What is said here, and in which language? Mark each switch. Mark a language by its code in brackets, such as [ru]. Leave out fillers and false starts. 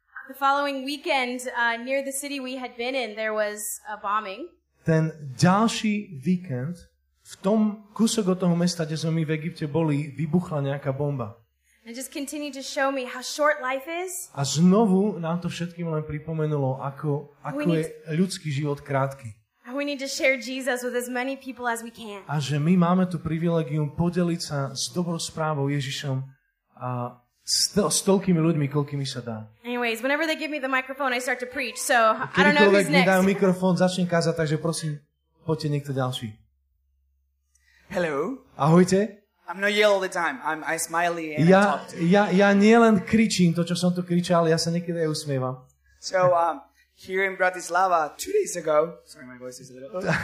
[en] The following weekend, near the city we had been in, there was a bombing. [sk] Ten ďalší víkend, v tom kúsok od toho mesta, kde sme my v Egypte boli, vybuchla nejaká bomba. [en] And just continued to show me how short life is. [sk] A znovu nám to všetkým len pripomenulo, ako je ľudský život krátky. [en] We need to share Jesus with as many people as we can. [sk] A že my máme tu privilegium podeliť sa s dobrou správou Ježišom a s toľkými ľuďmi, koľkými sa dá. [en] Anyways, whenever they give me the microphone, I start to preach. So, I don't know who's next. [sk] Keď mi dajú mikrofón, začnem kázať, takže prosím, poďte niekto ďalší. [en] Hello. [sk] Ahojte. [en] I'm not yelling all the time. I smile and I talk to you. [sk] Ja nielen kričím to, čo som tu kričal, ja sa niekedy aj usmievam. [en] So, here in Bratislava, 2 days ago. Sorry, my voice is a little...